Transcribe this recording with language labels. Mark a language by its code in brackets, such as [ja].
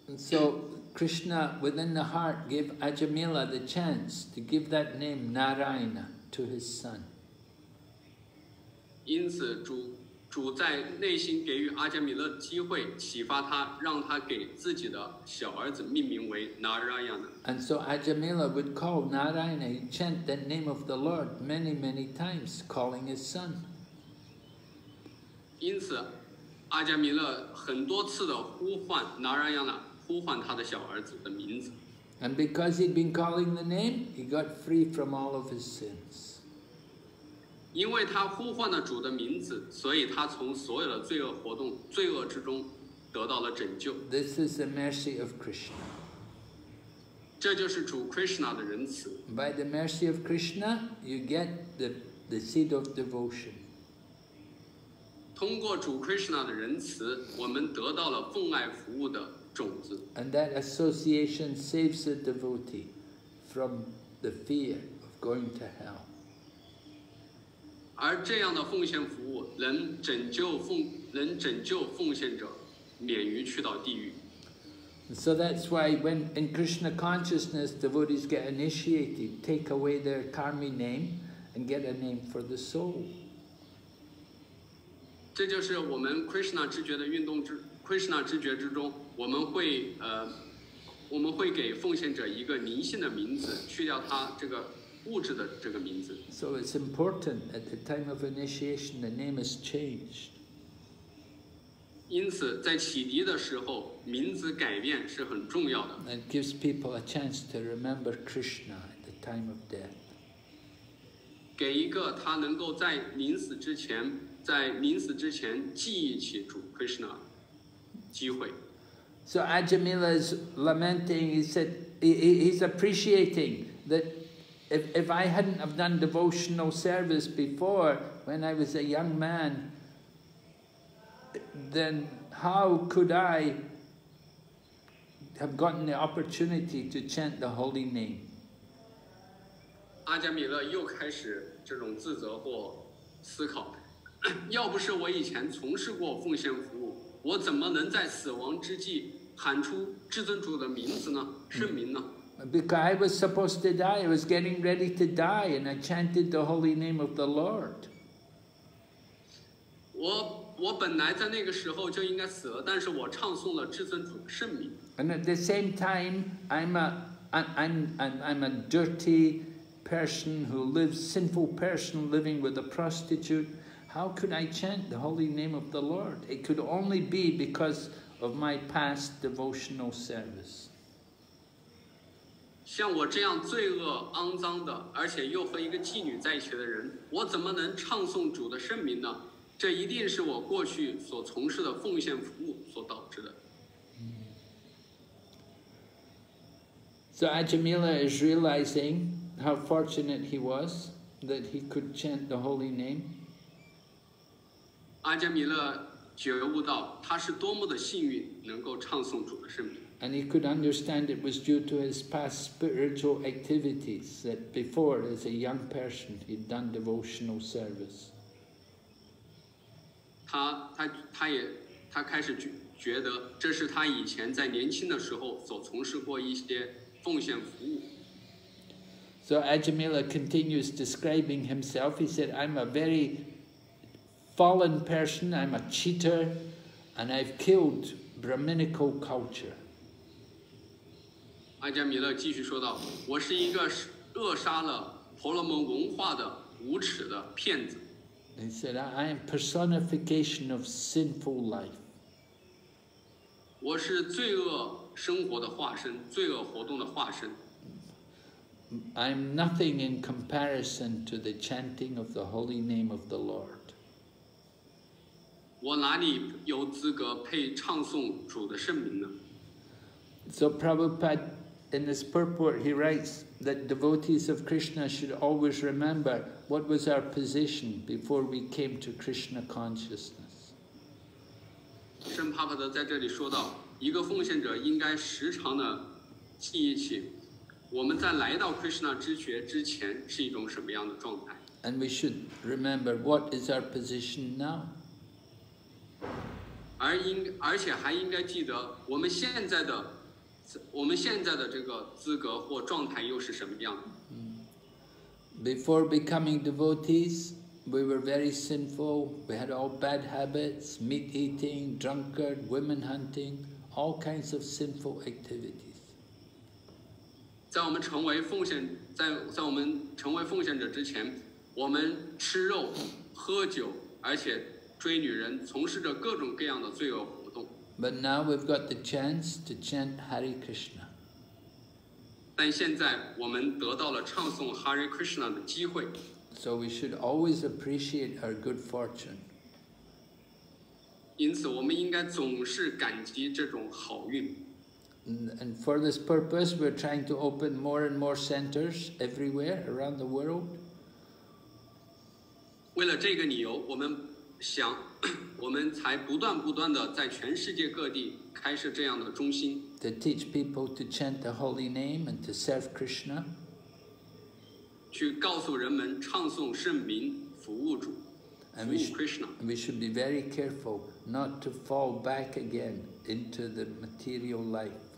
[en] So Krishna within the heart gave Ajamila the chance to give that name Narayana to his son. [zh] 因此主在内心给予阿加米勒机会，启发他，让他给自己的小儿子命名为 Narayana。 [en] And so Ajamila would call Narayana, he chant the name of the Lord many, many times, calling his son. [zh] 因此阿加米勒很多次的呼唤 Narayana, 呼唤他的小儿子的名字。 [en] And because he'd been calling the name, he got free from all of his sins. [zh] 因为他呼唤了主的名字，所以他从所有的罪恶活动、罪恶之中得到了拯救。 [en] This is the mercy of Krishna. [zh] 这就是主 Krishna 的仁慈。 [en] By the mercy of Krishna, you get the seed of devotion. [zh] 通过主 Krishna 的仁慈，我们得到了奉爱服务的种子。 [en] And that association saves the devotee from the fear of going to hell. [zh] 而这样的奉献服务能拯救奉献者免于去到地狱。 [en] So that's why when in Krishna consciousness, devotees get initiated, take away their karmic name and get a name for the soul. [zh] 这就是我们 Krishna 知觉之中，我们会给奉献者一个灵性的名字，去掉他这个物质的这个名字。 [en] So it's important at the time of initiation the name is changed. [zh] 因此在启迪的时候名字改变是很重要的。 [en] It gives people a chance to remember Krishna at the time of death. [zh] 给一个他能够在临死之前记忆起主 Krishna 机会。 [en] So Ajamila is lamenting, he said, he's appreciating thatIf I hadn't have done devotional service before, when I was a young man, then how could I have gotten the opportunity to chant the holy name? [zh] 阿加米勒又开始这种自责或思考，要不是我以前从事过奉献服务，我怎么能在死亡之际喊出至尊主的名字呢？圣名呢？ [en] Because I was supposed to die, I was getting ready to die, and I chanted the holy name of the Lord. [zh] 我本来在那个时候就应该死了，但是我唱诵了至尊主的圣名。 [en] And at the same time, I'm a dirty person who lives, sinful person living with a prostitute. How could I chant the holy name of the Lord? It could only be because of my past devotional service. [zh] 像我这样罪恶肮脏的，而且又和一个妓女在一起的人，我怎么能唱诵主的圣名呢？这一定是我过去所从事的奉献服务所导致的。 [en] So Ajamila is realizing how fortunate he was that he could chant the holy name. [zh] 阿加米勒觉悟到他是多么的幸运，能够唱诵主的圣名。 [en] And he could understand it was due to his past spiritual activities that before, as a young person, he'd done devotional service. [zh] 他开始觉得这是他以前在年轻的时候所从事过一些奉献服务。 [en] So Ajamila continues describing himself. He said, I'm a very fallen person, I'm a cheater, and I've killed Brahminical culture. [zh] 阿加米勒继续说道，我是一个扼杀了婆罗门文化的无耻的骗子。 [en] He said, I am personification of sinful life. [zh] 我是罪恶生活的化身，罪恶活动的化身。 [en] I am nothing in comparison to the chanting of the holy name of the Lord. [zh] 我哪里有资格配唱诵主的圣名呢？ [en] So Prabhupada,In this purport, he writes that devotees of Krishna should always remember what was our position before we came to Krishna consciousness. [zh] 圣帕帕德在这里说到，一个奉献者应该时常的记忆起，我们在来到 Krishna 知觉之前是一种什么样的状态。 [en] And we should remember what is our position now. [zh] 而且还应该记得我们现在的这个资格或状态又是什么样的。 [en] Before becoming devotees, we were very sinful. We had all bad habits, meat eating, drunkard, women hunting, all kinds of sinful activities. [zh] 在我们成为奉献者之前，我们吃肉、喝酒，而且追女人，从事着各种各样的罪恶活动。 [en] But now we've got the chance to chant Hare Krishna. [zh] 但现在我们得到了唱诵 Hare Krishna 的机会。 [en] So we should always appreciate our good fortune. [zh] 因此，我们应该总是感激这种好运。 [en] And for this purpose, we're trying to open more and more centers everywhere around the world. [zh] 为了这个理由，我们才不断不断地在全世界各地开设这样的中心。 [en] To teach people to chant the holy name and to serve Krishna. [zh] 去告诉人们唱诵圣名，服务主，服务 Krishna. [en] And we should be very careful not to fall back again into the material life.